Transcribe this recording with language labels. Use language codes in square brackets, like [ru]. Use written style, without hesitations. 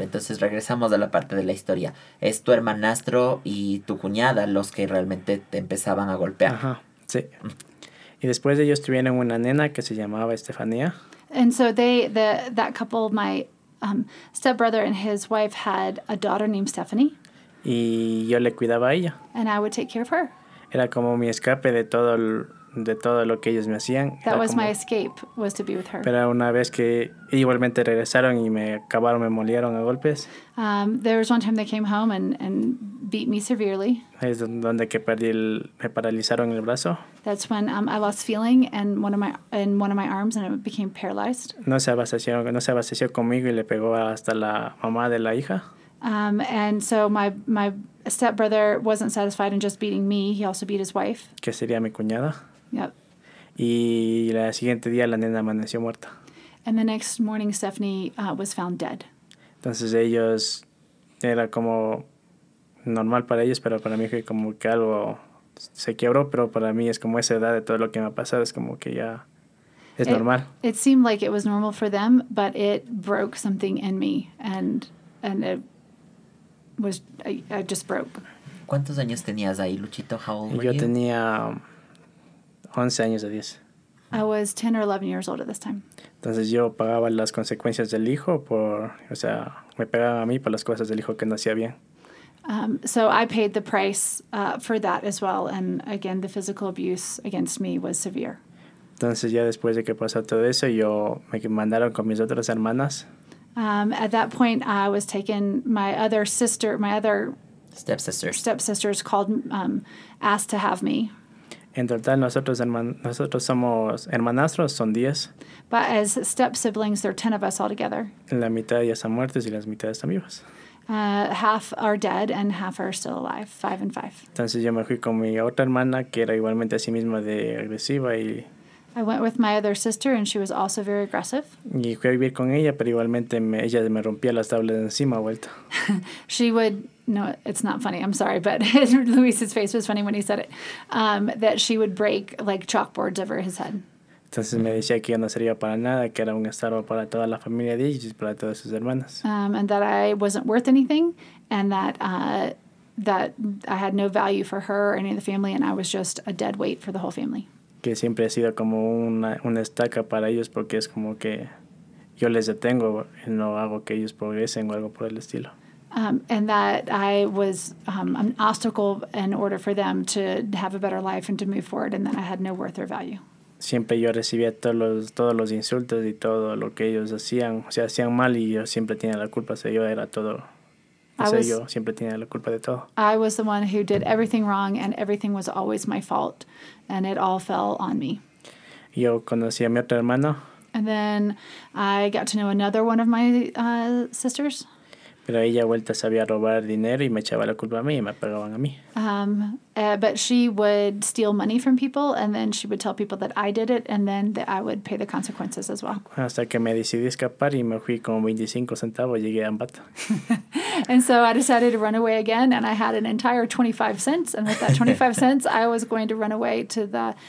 [es] Entonces regresamos a la parte de la historia. Es tu hermanastro y tu cuñada los que realmente te empezaban a golpear. Ajá, sí. Y después ellos tuvieron una nena que se llamaba Estefanía. [en] And so that couple, my... stepbrother and his wife had a daughter named Stephanie. [es] Y yo le cuidaba a ella. [en] And I would take care of her. [es] Era como mi escape de todo lo que ellos me hacían. [en] That [es] era [en] was [es] como, [en] my escape, was to be with her. [es] Pero una vez que igualmente regresaron y me acabaron, me molieron a golpes. [en] There was one time they came home and beat me severely. [es] Es donde que perdí el, me paralizaron el brazo. [en] That's when I lost feeling and one of my arms and it became paralyzed. [es] No se abasteció conmigo y le pegó hasta la mamá de la hija. [en] And so my stepbrother wasn't satisfied in just beating me. He also beat his wife. [es] Que sería mi cuñada. [en] Yep. [es] Y el siguiente día la nena amaneció muerta. [en] And the next morning Stephanie was found dead. [es] Entonces ellos, era como normal para ellos, pero para mí fue como que algo se quebró, pero para mí es como esa edad de todo lo que me ha pasado, es como que ya es normal. [en] It seemed like it was normal for them, but it broke something in me, and it was, I just broke. [es] ¿Cuántos años tenías ahí, Luchito? [en] How old were [es] yo [en] you? [es] Yo tenía 11 años de 10. [en] I was 10 or 11 years old at this time. [es] Entonces yo pagaba las consecuencias del hijo por, o sea, me pegaba a mí por las cosas del hijo que no hacía bien. [en] So I paid the price for that as well. And again, the physical abuse against me was severe. [es] Entonces ya después de que pasó todo eso, yo me mandaron con mis otras hermanas. [en] At that point, I was taken, my other stepsisters called, asked to have me. [es] En total, nosotros somos hermanastros, son 10. [en] But as step-siblings, there are 10 of us all together. [es] La mitad ya están muertos y las mitades están vivas. [en] Half are dead and half are still alive, 5 and 5. [es] Entonces yo me fui con mi otra hermana, que era igualmente a sí misma de agresiva y... [en] I went with my other sister and she was also very aggressive. [es] Y fui a vivir con ella, pero igualmente ella me rompía las tablas encima a vuelta. [en] She would... No, it's not funny. I'm sorry, but Luis's face was funny when he said it. That she would break like chalkboards over his head. [es] Entonces me decía que yo no sería para nada, que era un estorbo para toda la familia de ellos, para todas sus hermanas. [en] And that I wasn't worth anything, and that that I had no value for her or any of the family, and I was just a dead weight for the whole family. [es] Que siempre he sido como una estaca para ellos, porque es como que yo les detengo y no hago que ellos progresen o algo por el estilo. [en] And that I was an obstacle in order for them to have a better life and to move forward, and that I had no worth or value. [es] Siempre yo recibía todos los insultos y todo lo que ellos hacían, o sea, hacían mal y yo siempre tenía la culpa, o sea, yo era todo, o sea, yo siempre tenía la culpa de todo. [en] I was the one who did everything wrong and everything was always my fault, and it all fell on me. [es] Yo conocí a mi otra hermana. [en] And then I got to know another one of my sisters. [es] Pero ella vuelta sabía robar dinero y me echaba la culpa a mí y me pegaban a mí. [en] But she would steal money from people and then she would tell people that I did it and then that I would pay the consequences as well. [es] Hasta que me decidí escapar y me fui con 25 centavos y llegué a Ambato. [en] And so I decided to run away again and I had an entire 25 cents. And with that 25 cents, I was going to run away to the...